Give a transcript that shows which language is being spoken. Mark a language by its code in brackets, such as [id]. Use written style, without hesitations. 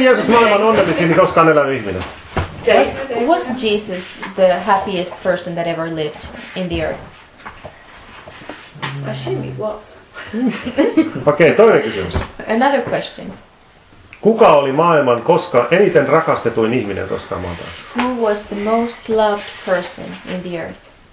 [fi] Jeesus maailman onnellisin, koskaan elänyt ihminen? [en] Was Jesus the happiest person that ever lived in the earth? I assume he was. [fi] Okei, toinen kysymys. [en] Another question. [fi] Kuka oli maailman koska eniten rakastetuin ihminen tuosta maata? [en] Who was the most loved person in the earth?